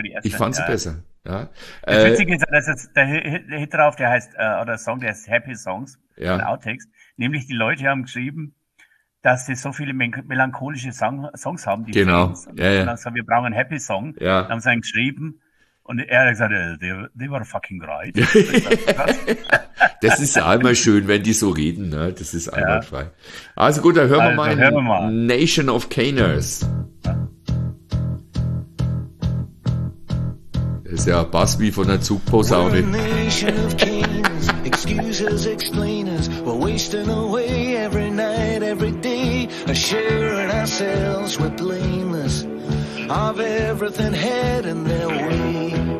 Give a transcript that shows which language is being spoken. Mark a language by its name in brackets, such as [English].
[German] Ich fand sie besser. Ja. Das Witzige ist, dass jetzt der Hit drauf, der heißt, oder Song, der heißt Happy Songs, von Outtakes. Nämlich die Leute haben geschrieben, dass sie so viele melancholische Songs haben. Die genau. Und dann sagen, wir brauchen einen Happy Song. Ja. Dann haben sie einen geschrieben. Und er hat gesagt, [English] they were fucking right. [German] Das ist einmal schön, wenn die so reden. Ne? Das ist einwandfrei. Also gut, dann hören, also, hören wir mal Nation of Caners. Das ist ja Bass wie von der Zugposaune. [English] Nation of Caners, excuse us, explain us. We're wasting away every night, every day. assuring ourselves we're blameless of everything heading their way.